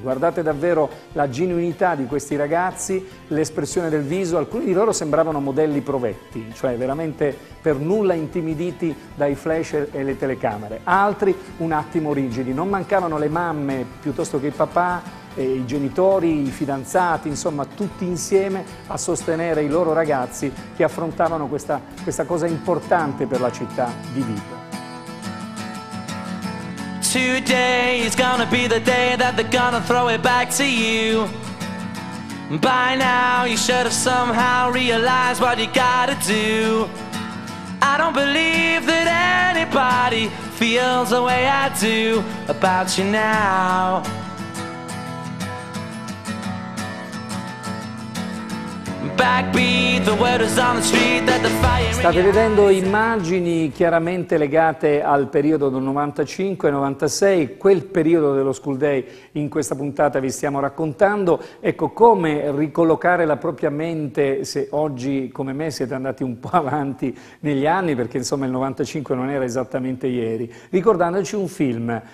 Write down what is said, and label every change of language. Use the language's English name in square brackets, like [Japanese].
[Italian] Guardate davvero la genuinità di questi ragazzi, l'espressione del viso, alcuni di loro sembravano modelli provetti, cioè veramente per nulla intimiditi dai flash e le telecamere. Altri un attimo rigidi, non mancavano le mamme piuttosto che i papà, i genitori, i fidanzati, insomma tutti insieme a sostenere i loro ragazzi che affrontavano questa cosa importante per la città di Vibo. [English] Today is gonna be the day that they're gonna throw it back to you. By now you should have somehow realized what you gotta do. I don't believe that anybody feels the way I do about you now. [Italian] State vedendo immagini chiaramente legate al periodo del 95-96, quel periodo dello School Day in questa puntata vi stiamo raccontando. Ecco, come ricollocare la propria mente se oggi come me siete andati un po' avanti negli anni, perché insomma il 95 non era esattamente ieri, ricordandoci un film.